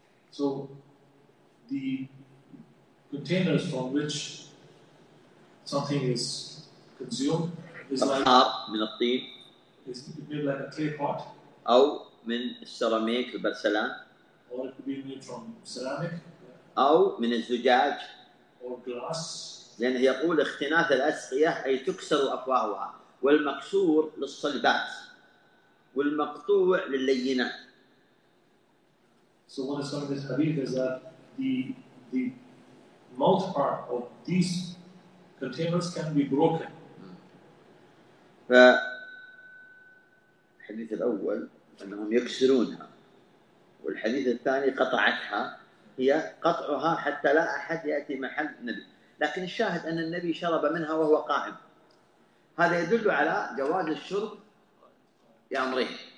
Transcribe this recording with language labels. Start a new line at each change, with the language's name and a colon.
English: So the containers from which something is consumed is
Arabic: فخار
English: like
Arabic: من الطين.
English: Is made like a clay pot.
Arabic: أو من السيراميك البرسلان.
English: Or it could be made from ceramic.
Arabic: أو من الزجاج أو
English: glass.
Arabic: لأنه يقول اختناث الأسقية أي تكسر أفواهها والمكسور للصلبات والمقطوع لللينات.
English: So one is from this hadith is that the mouth part of these containers can be broken.
Arabic: فالحديث الأول أنهم يكسرونها والحديث الثاني قطعتها هي قطعها حتى لا أحد يأتي محل النبي، لكن الشاهد أن النبي شرب منها وهو قائم، هذا يدل على جواز الشرب يا أمره